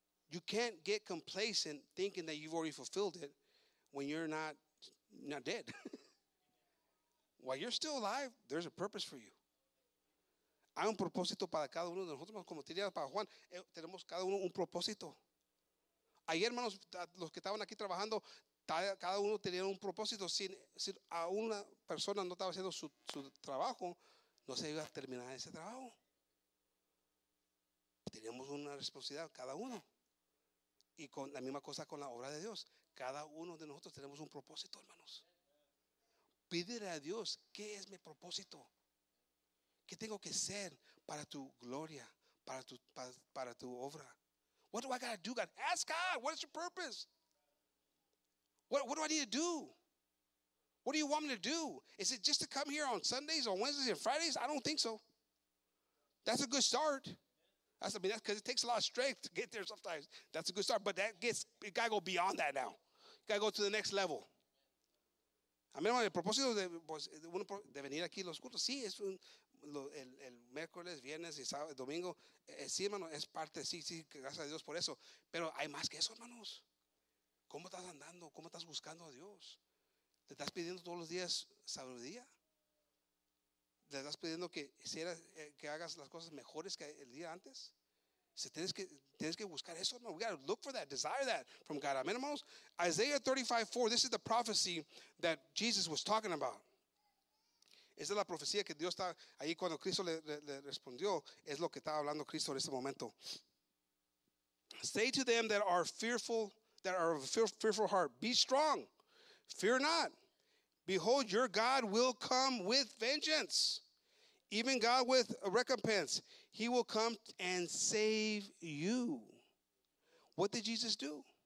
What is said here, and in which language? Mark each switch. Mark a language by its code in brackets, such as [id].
[en] You can't get complacent thinking that you've already fulfilled it when you're not dead. While you're still alive, there's a purpose for you. [es] Hay un propósito para cada uno de nosotros, como diría para Juan, tenemos cada uno un propósito. Ayer, hermanos, los que estaban aquí trabajando, cada uno tenía un propósito. Si a una persona no estaba haciendo su trabajo, no se iba a terminar ese trabajo. Teníamos una responsabilidad, cada uno. Y con la misma cosa con la obra de Dios. Cada uno de nosotros tenemos un propósito, hermanos. Pídele a Dios, ¿qué es mi propósito? ¿Qué tengo que ser para tu gloria, para tu obra? [en] What do I got to do, God? Ask God, what is your purpose? What do I need to do? What do you want me to do? Is it just to come here on Sundays or Wednesdays and Fridays? I don't think so. That's a good start. That's because it takes a lot of strength to get there sometimes. That's a good start, but you got to go beyond that now. You got to go to the next level. [es] A mí, el propósito de venir aquí los cultos, sí, es el miércoles, viernes y sábado, domingo. Sí, hermano, es parte, sí, gracias a Dios por eso. Pero hay más que eso, hermanos. ¿Cómo estás andando? ¿Cómo estás buscando a Dios? ¿Te estás pidiendo todos los días sabiduría? ¿Le estás pidiendo que hagas las cosas mejores que el día antes? Si tienes que buscar eso, hermano. [en] We got to look for that, desire that from God. [es] Amen, hermanos. [en] Isaiah 35:4, this is the prophecy that Jesus was talking about. [es] Esa es la profecía que Dios está ahí cuando Cristo le respondió. Es lo que estaba hablando Cristo en este momento. [en] Say to them that are fearful, that are of a fearful heart, be strong, fear not. Behold, your God will come with vengeance. Even God with a recompense, he will come and save you. What did Jesus do?